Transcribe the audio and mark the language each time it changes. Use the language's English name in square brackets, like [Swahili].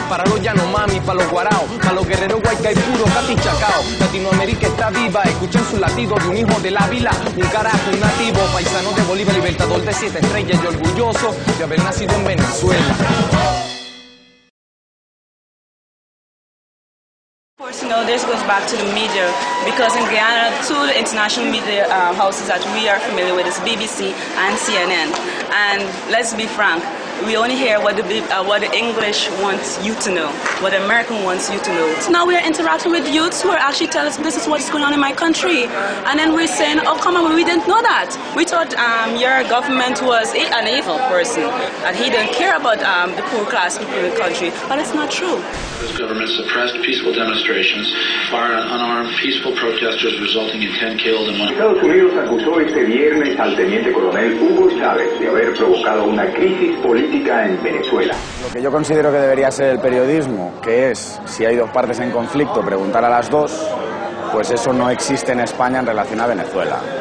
[Spanish] Para los yanomami, para los guaraos, para los guerreros guayca y puro, Cati Chacao. Latinoamérica está viva, escuchen su latido de un hijo del Ávila, un carajo, un nativo, paisano de Bolívar, libertador de siete estrellas y orgulloso de haber nacido en Venezuela. [English] Of course, you know, this goes back to the media, because in Guyana, two international media houses that we are familiar with is BBC and CNN. And let's be frank, we only hear what the English wants you to know, what the American wants you to know. So now we are interacting with youths who are actually telling us, this is what's going on in my country. And then we're saying, oh, come on, we didn't know that. We thought your government was an evil person, and he didn't care about the poor class people in the country. But it's not true. This government suppressed peaceful demonstrations, fired on unarmed peaceful protesters, resulting in 10 killed and one. [Spanish] Estados Unidos acusó este viernes al teniente coronel Hugo Chávez de haber provocado una crisis política en Venezuela. Lo que yo considero que debería ser el periodismo, que es, si hay dos partes en conflicto, preguntar a las dos, pues eso no existe en España en relación a Venezuela.